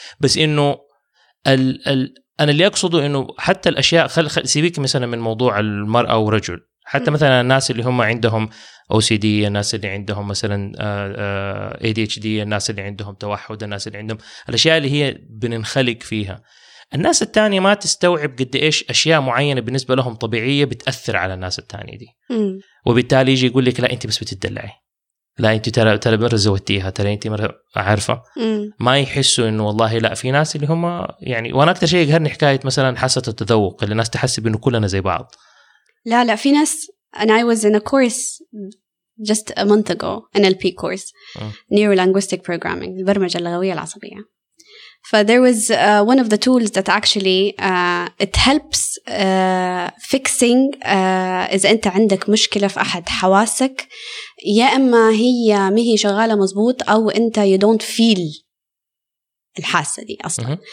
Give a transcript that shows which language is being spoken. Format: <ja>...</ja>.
<ar>بس إنه أنا اللي أقصده إنه حتى الأشياء سيبيك مثلا من موضوع المرأة ورجل حتى مثلا الناس اللي هم عندهم OCD، الناس اللي عندهم مثلا ADHD، الناس اللي عندهم توحد، الناس اللي عندهم الأشياء اللي هي بننخلق فيها، الناس التانية ما تستوعب قد إيش أشياء معينة بالنسبة لهم طبيعية بتأثر على الناس التانية دي. وبالتالي يجي يقول لك لا أنت بس بتدلعي، لا أنت ترى مرة زودتيها، ترى أنت مرة عارفة. ما يحسوا إنه والله لا، في ناس اللي هم يعني. وأنا أكثر شيء يقهرني حكاية مثلا حاسة التذوق، اللي الناس تحسب إنه كلنا زي بعض. لا لا، في ناس.</ar> <en>And I was in a course just a month ago, NLP course, Neuro-Linguistic Programming,</en> <ar>البرمجة اللغوية العصبية.</ar> <en>فthere was one of the tools that actually it helps fixing</en> <ar>إذا أنت عندك مشكلة في أحد حواسك، يا إما هي مهي شغالة مزبوط أو أنت</ar> <en>you don't feel</en> <ar>الحاسة دي أصلا.</ar>